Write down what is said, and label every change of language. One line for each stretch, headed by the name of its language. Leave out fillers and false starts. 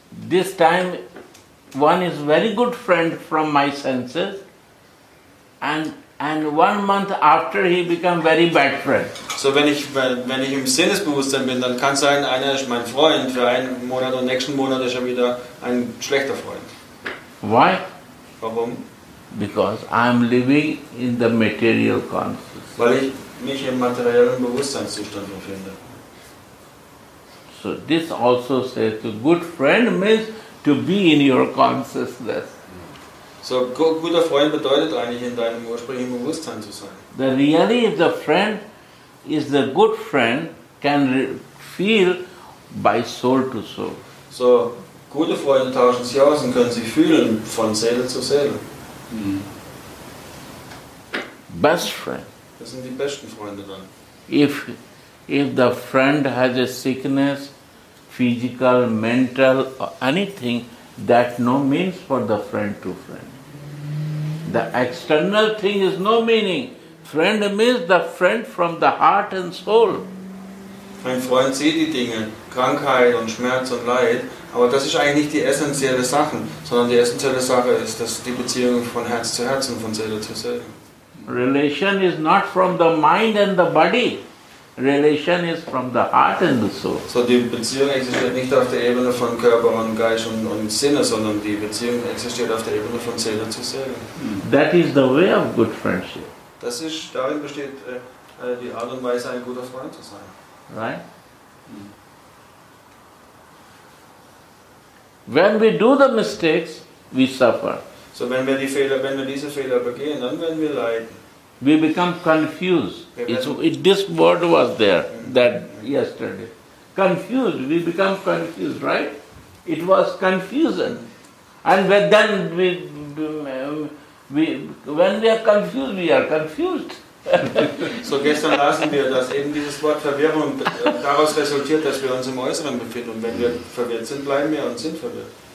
English: This time one is very good friend from my senses and 1 month after he become very bad friend.
German: So wenn ich im Sinnesbewusstsein bin, dann kann sein, einer ist mein Freund für einen Monat und nächsten Monat ist er wieder ein schlechter Freund.
English: Why?
German: Warum?
English: Because I am living in the material consciousness.
German: Weil ich mich im materiellen Bewusstseinszustand befinde.
English: So this also says a good friend means to be in your consciousness.
German: So guter Freund bedeutet eigentlich in deinem ursprünglichen Bewusstsein zu sein.
English: The reality of the friend is the good friend can feel by soul to soul.
German: So gute Freunde tauschen sich aus und können sich fühlen von Seele zu Seele.
English: Mm. Best friend.
German: Das sind die besten Freunde dann.
English: If the friend has a sickness, physical, mental, or anything, that no means for the friend to friend. The external thing is no meaning. Friend means the friend from the heart and soul.
German: Ein Freund sieht die Dinge, Krankheit und Schmerz und Leid, aber das ist eigentlich nicht die essentielle Sache, sondern die essentielle Sache ist, dass die Beziehung von Herz zu Herz und von Seele zu Seele.
English: Relation is not from the mind and the body. Relation is from the heart and the soul.
German: So die Beziehung existiert nicht auf der Ebene von Körper und Geist und Sinne, sondern die Beziehung existiert auf der Ebene von Seele zu Seele.
English: That is the way of good friendship.
German: Das ist, darin besteht die Art und Weise, ein guter Freund zu sein.
English: Right? When we do the mistakes, we suffer. So when we
German: die Fehler, wenn wir diese Fehler begehen, dann werden wir leiden.
English: We become confused. This word was there that yesterday. Confused. We become confused, right? It was confusion. And then when we are confused, we are confused.
German: So gestern lasen wir, dass eben dieses Wort Verwirrung daraus resultiert, dass wir uns im Äußeren befinden. Und wenn wir verwirrt sind, bleiben wir und sind verwirrt.